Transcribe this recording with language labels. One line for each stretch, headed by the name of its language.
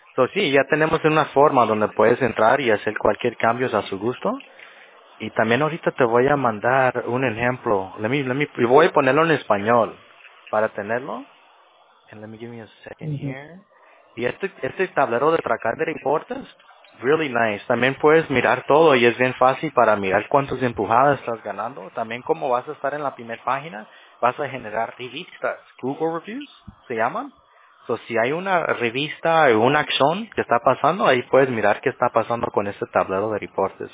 Spanish: So, sí, ya tenemos una forma donde puedes entrar y hacer cualquier cambio a su gusto. Y también ahorita te voy a mandar un ejemplo.
English: Let me
Spanish: voy a ponerlo en español para tenerlo.
English: And let me give me a second here.
Spanish: Y este tablero de tracar de reportes,
English: really nice.
Spanish: También puedes mirar todo y es bien fácil para mirar cuántas empujadas estás ganando. También como vas a estar en la primera página, vas a generar revistas. Google Reviews se llaman. So, si hay una revista o una acción que está pasando, ahí puedes mirar qué está pasando con este tablero de reportes.